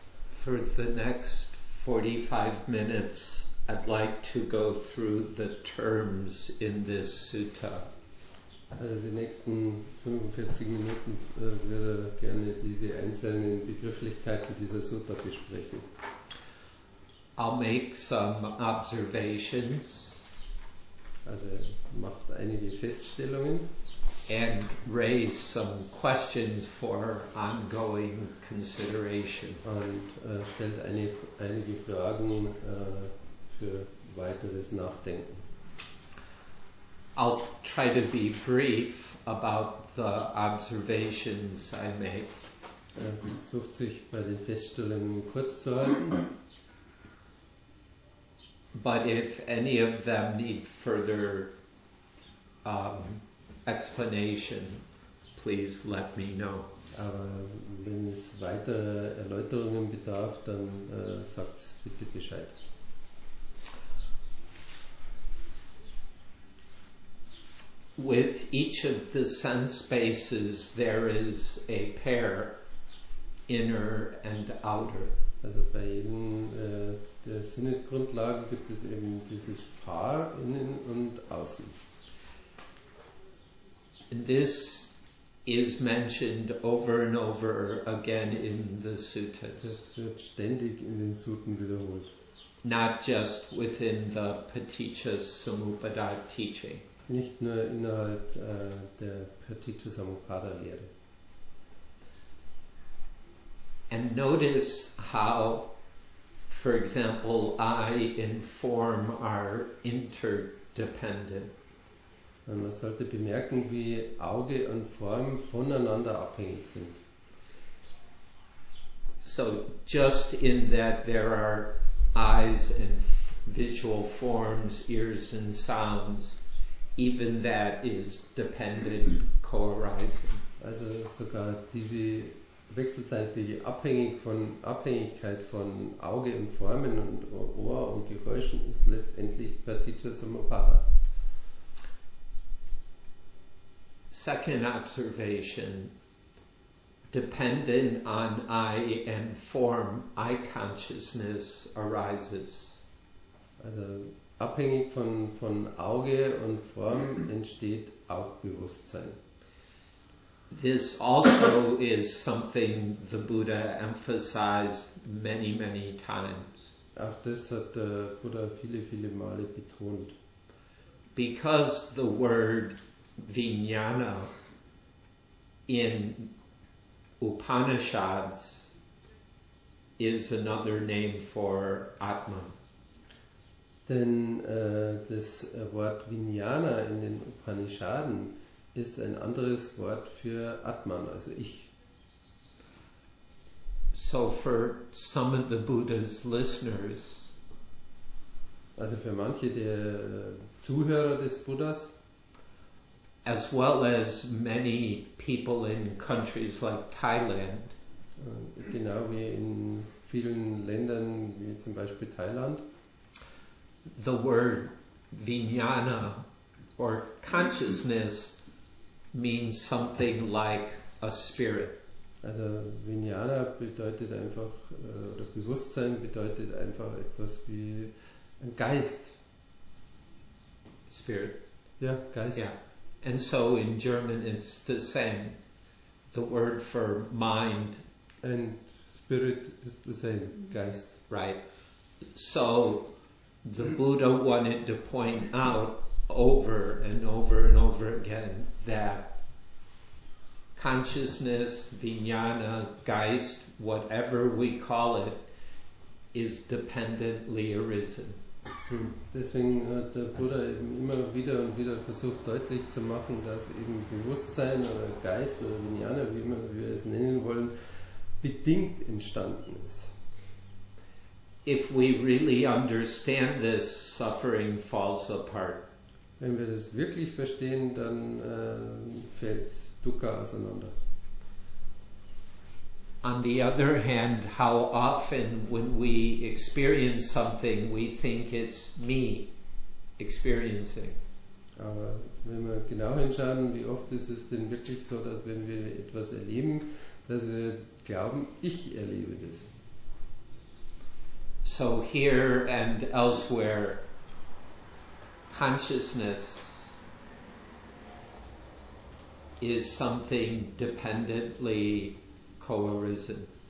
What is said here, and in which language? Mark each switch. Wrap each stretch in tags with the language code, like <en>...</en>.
<en>For the next 45 minutes, I'd like to go through the terms in this sutta.</en> <de>Also die nächsten 45 Minuten würde gerne diese einzelnen Begrifflichkeiten dieser Sutta besprechen.</de> <en>I'll make some observations.</en> <de>Also macht einige Feststellungen.</de> <en>And raise some questions for ongoing consideration.</en> <de>Und stellt einige Fragen für weiteres Nachdenken.</de> <en>I'll try to be brief about the observations I make.</en> <de>Versucht sich bei den Feststellungen kurz zu halten.</de> <en>But if any of them need further explanation, please let me know.</en> <de>Aber wenn es weitere Erläuterungen bedarf, dann sagt's bitte Bescheid.</de> <en>With each of the sense bases, there is a pair, inner and outer.</en> <de>Also bei jedem der Sinnesgrundlagen gibt es eben dieses Paar innen und außen.</de> <en>This is mentioned over and over again in the suttas.</en> <de>Das wird ständig in den Sutten wiederholt.</de> <en>Not just within the Paticca-Samuppada teaching.</en> <de>Nicht nur innerhalb der Paticca-Samuppada-Lehre.</de> <en>And notice how, for example, I and form are interdependent.</en> <de>Und man sollte bemerken, wie Auge und Form voneinander abhängig sind.</de> <en>So just in that there are eyes and visual forms, ears and sounds, even that is dependent co-arising.</en> <de>Also sogar diese wechselseitige Abhängigkeit von Auge und Formen und Ohr und Geräuschen ist letztendlich Paticca Samuppada.</de> <en>Second observation, dependent on I and form, I consciousness arises.</en> <de>Also abhängig von Auge und Form entsteht auch Bewusstsein.</de> <en>This also is something the Buddha emphasized many, many times.</en> <de>Auch das hat der Buddha viele, viele Male betont.</de> <en>Because the word Vijnana in Upanishads is another name for Atman.</en> <de>Denn das Wort Vijnana in den Upanishaden ist ein anderes Wort für Atman, also ich.</de> <en>So for some of the Buddha's listeners,</en> <de>also für manche der Zuhörer des Buddhas,</de> <en>as well as many people in countries like Thailand.</en> <de>Genau wie in vielen Ländern, wie zum Beispiel Thailand.</de> <en>The word Vijnana or consciousness means something like a spirit.</en> <de>Also Vijnana bedeutet einfach, oder Bewusstsein bedeutet einfach etwas wie ein Geist.</de> <en>Spirit.</en> <de>Ja, Geist.</de> <en>Yeah. And so in German it's the same. The word for mind. And spirit is the same, Geist. Right. So the Buddha wanted to point out over and over and over again that consciousness, Vijnana, Geist, whatever we call it, is dependently arisen.</en> <de>Deswegen hat der Buddha eben immer wieder und wieder versucht deutlich zu machen, dass eben Bewusstsein oder Geist oder Vijnana, wie immer wir es nennen wollen, bedingt entstanden ist.</de> <en>If we really understand this, suffering falls apart.</en> <de>Wenn wir das wirklich verstehen, dann fällt Dukkha auseinander.</de> <en>On the other hand, how often when we experience something, we think it's me experiencing.</en> <de>Aber wenn wir genau hinschauen, wie oft ist es denn wirklich so, dass wenn wir etwas erleben, dass wir glauben, ich erlebe das.</de> <en>So here and elsewhere, consciousness is something dependently co-arisen.</en>